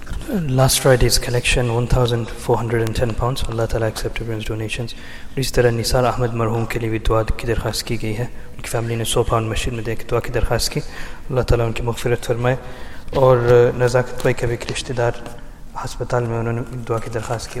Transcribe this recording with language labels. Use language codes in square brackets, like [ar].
[en] Last Friday's collection, £1,410. Allah Ta'ala accept everyone's donations. [ur] اس طرح نثار احمد مرحوم کے لیے بھی دعا کی درخواست کی گئی ہے. ان کی فیملی نے 100 pounds مسجد میں دے کے دعا کی درخواست کی. اللہ تعالیٰ ان کی مغفرت فرمائے. اور نزاکت بھائی کا بھی ایک رشتے دار ہسپتال میں انہوں نے دعا کی درخواست کی.